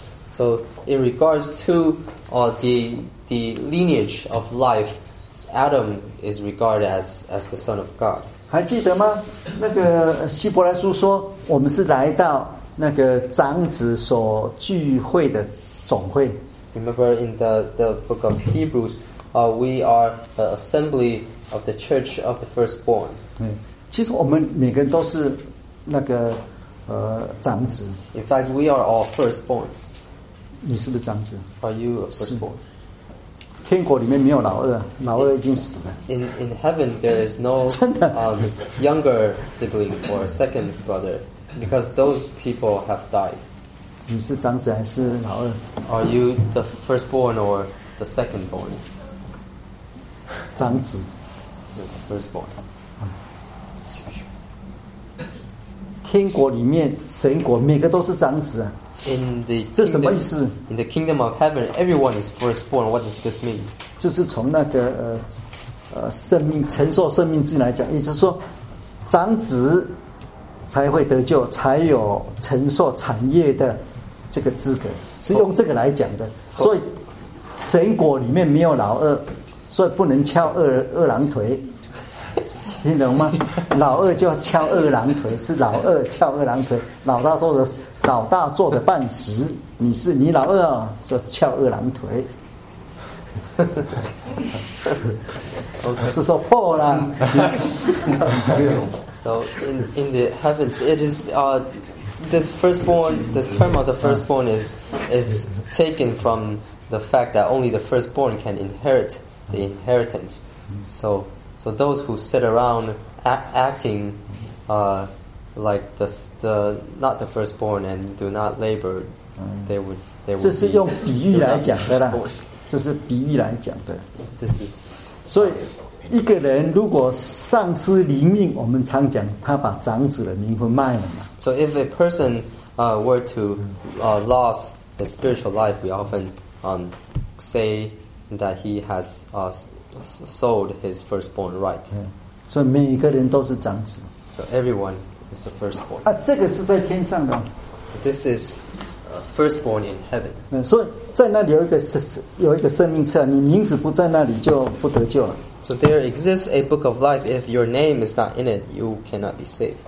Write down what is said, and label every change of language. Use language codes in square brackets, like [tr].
[en] So in regards to the lineage of life, Adam is regarded as the son of God. [zh] 还记得吗？那个希伯来书说，我们是来到那个长子所聚会的总会。 [en] Remember in the book of Hebrews, we are the assembly of the church of the firstborn. [zh] 嗯，其实我们每个人都是那个长子。 [en] In fact, we are all firstborns. [zh] 你是不是长子 [en] ？Are you a firstborn? [zh] 天国里面没有老二，老二已经死了。 [en] In heaven there is no younger sibling or second brother because those people have died. [zh] 你是长子还是老二 [en] ？Are you the firstborn or the secondborn? [zh] 长子 [en] ，firstborn. [zh] 天国里面神国每个都是长子啊。 [en] In the kingdom, [zh] 这什么意思 [en] ？In the kingdom of heaven, everyone is firstborn. What does this mean? [zh] 这是从那个生命承受生命之源来讲，也就是说，长子才会得救，才有承受产业的这个资格，是用这个来讲的。所以神国里面没有老二，所以不能翘二郎腿。听懂吗？老二就要翘二郎腿，是老二翘二郎腿，老大做的。老大做的半死，你是你老二啊，说翘二郎腿， [en] okay. [zh] 是说破啦。 [en] So in the heavens, it is this firstborn. This term of the firstborn is taken from the fact that only the firstborn can inherit the inheritance. So those who sit around acting. Like the not the firstborn and do not labor, they would. [zh] 这是用比喻来讲的啦，这是比喻来讲的。 [en] This is. [zh] 所以一个人如果丧失灵命，我们常讲他把长子的名分卖了嘛。 [en] So if a person were to lose his spiritual life, we often say that he has sold his firstborn right. [zh] 所以每个人都是长子。 [en] So everyone. It's the firstborn. [zh] 啊，这个是在天上的。 [en] This is firstborn in heaven. [zh] 嗯，所以在那里有一个生命册，你名字不在那里就不得救了。 [en] So there exists a book of life. If your name is not in it, you cannot be saved.